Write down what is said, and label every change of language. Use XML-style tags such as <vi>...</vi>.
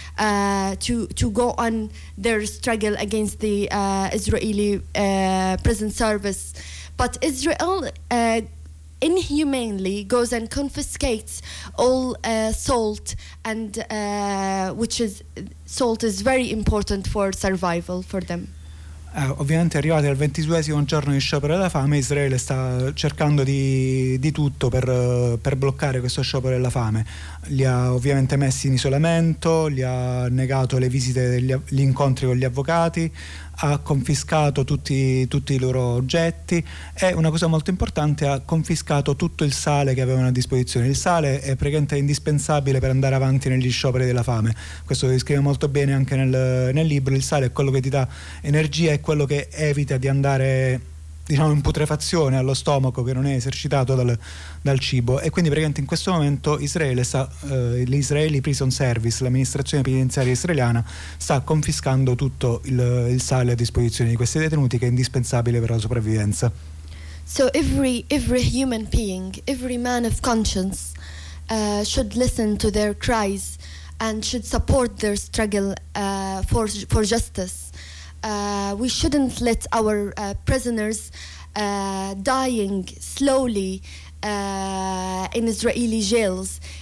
<en>To go on their struggle against the Israeli prison service. But Israel inhumanely goes and confiscates all salt, and which is salt is very important for survival for them.</en> <it>Ovviamente arrivati al 22esimo giorno di sciopero della fame, Israele sta cercando di tutto per bloccare questo sciopero della fame. Li ha ovviamente messi in isolamento, gli ha negato le visite, gli incontri con gli avvocati, ha confiscato tutti i loro oggetti e una cosa molto importante, ha confiscato tutto il sale che avevano a disposizione. Il sale è praticamente indispensabile per andare avanti negli scioperi della fame, questo lo descrive molto bene anche nel libro. Il sale è quello che ti dà energia, è quello che evita di andare, diciamo, in putrefazione allo stomaco che non è esercitato dal cibo. E quindi praticamente in questo momento Israele sta l'Israeli Prison Service, l'amministrazione penitenziaria israeliana, sta confiscando tutto il sale a disposizione di questi detenuti che è indispensabile per la sopravvivenza.</it> <en>So every human being, every man of conscience should listen to their cries and should support their struggle for justice. We shouldn't let our prisoners dying slowly in Israeli jails.</en>